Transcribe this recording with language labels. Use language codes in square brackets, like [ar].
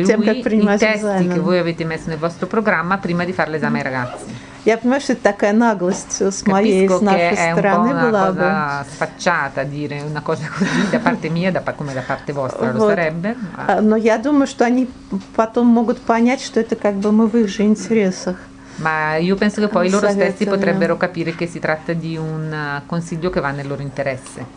[it] lui i testi che voi avete messo nel vostro programma prima di fare l'esame ai ragazzi. [ru] Я понимаю, что это такая наглость с моей, с нашей стороны была бы. [it] Capisco che è un po' una cosa sfacciata dire una cosa così da parte mia, da, come da parte vostra, lo sarebbe. [ru] Но я думаю, что они потом могут понять, что это как бы мы в их же интересах. [it] Ma io penso che poi loro stessi potrebbero capire che si tratta di un consiglio che va nel loro interesse.